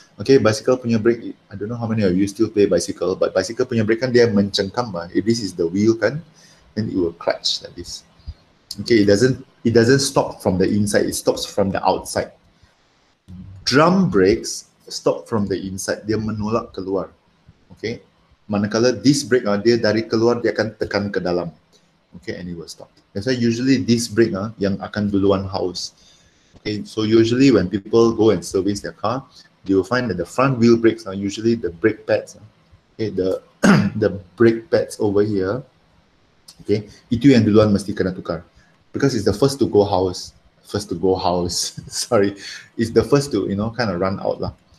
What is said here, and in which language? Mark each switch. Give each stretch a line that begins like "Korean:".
English: Okay,
Malay: bicycle punya brake.
English: I don't know how many of you still play bicycle, but
Malay: bicycle punya brake kan dia mencengkam lah.
English: If this is the wheel kan, then it will clutch like this. Okay, it doesn't stop from the inside, it stops from the outside. Drum brakes stop from the inside,
Malay: dia menolak keluar. Okay, manakala disc brake dia dari keluar, dia akan tekan ke dalam.
English: Okay, and it will stop. That's why usually disc brake
Malay: yang akan duluan haus.
English: Okay, so usually when people go and service their car, they will find that the front wheel brakes are usually the brake pads. Okay, the brake pads over here. Okay,
Malay: itu yang duluan mesti kena tukar.
English: Because it's the first to go house, it's the first to, you know, kind of run out lah.